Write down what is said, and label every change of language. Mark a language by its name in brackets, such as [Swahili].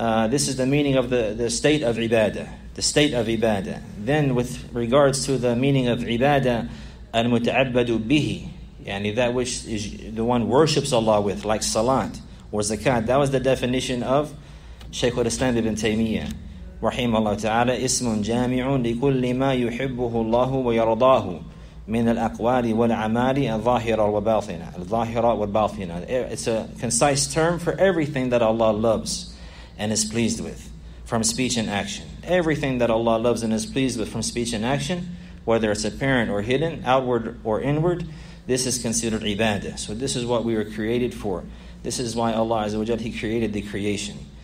[English] This is the meaning of the state of ibadah. The state of ibadah. Then with regards to the meaning of ibadah, [Arabic] al-muta'abbadu bihi, [English] yani that which is the one worships Allah with, like salat or zakat. That was the definition of Shaykh al-Islam ibn Taymiyyah. [Arabic] رحمه الله تعالى اسم جامع لكل ما يحبه الله ويرضاه من الأقوال والأعمال الظاهرة والباطنة الظاهرة والباطنة. [English] It's a concise term for everything that Allah loves and is pleased with from speech and action. Everything that Allah loves and is pleased with from speech and action, whether it's apparent or hidden, outward or inward, this is considered ibadah. So this is what we were created for. This is why Allah Azza wa Jalla, He created the creation.